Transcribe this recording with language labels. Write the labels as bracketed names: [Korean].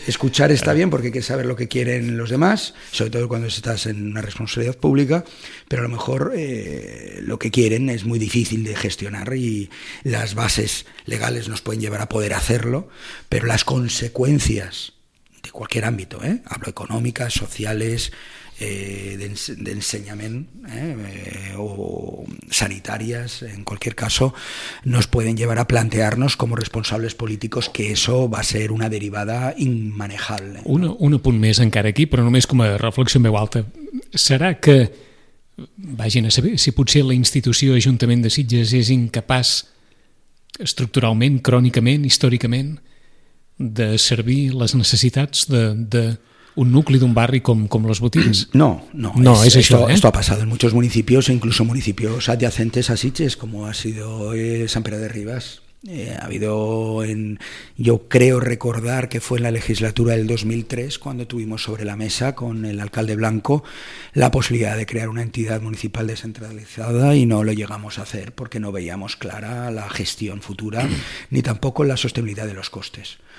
[Spanish] Escuchar está bien porque hay que saber lo que quieren los demás, sobre todo cuando estás en una responsabilidad pública, pero a lo mejor lo que quieren es muy difícil de gestionar y las bases legales nos pueden llevar a poder hacerlo, pero las consecuencias de cualquier ámbito, hablo económicas, sociales, de enseñament [Catalan] o sanitàries, en qualsevol cas, nos poden [Spanish] llevar a plantearnos [Catalan] com responsables polítics que això va a ser una derivada immanejable. Un punt més encara aquí, però només com a reflexió meu alta. Serà que, vagin a saber, si potser la institució Ajuntament de Sitges és incapaç estructuralment, crònicament, històricament, de servir les necessitats [Spanish] de un núcleo de un barrio como Las Butigas. No, es esto, eso, ¿eh? Esto ha pasado en muchos municipios, incluso municipios adyacentes a Sitges, como ha sido San Pere de Ribas. Ha habido, yo creo recordar que fue en la legislatura del 2003 cuando tuvimos sobre la mesa con el alcalde Blanco la posibilidad de crear una entidad municipal descentralizada y no lo llegamos a hacer porque no veíamos clara la gestión futura ni tampoco la sostenibilidad de los costes.